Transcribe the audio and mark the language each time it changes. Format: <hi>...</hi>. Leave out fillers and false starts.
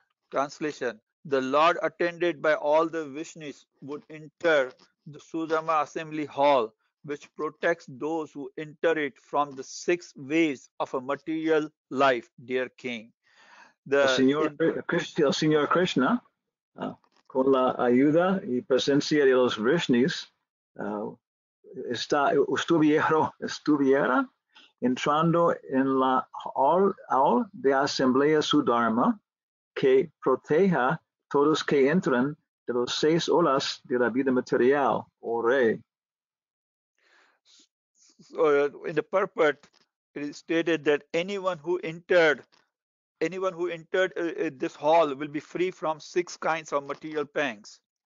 <en>Translation: the Lord, attended by all the Vishnis, would enter the Sudama assembly hall, which protects those who enter it from the six waves of a material life. Dear King,</en> <es>Señor Krishna. Con la ayuda y presencia de los Vishnis, estuviera entrando en la hall de asamblea Sudharma, que proteja todos que entran de los seis olas de la vida material, oh rey.</es> <en>So in the purport, it is stated that anyone who entered this hall will be free from six kinds of material pangs.</en>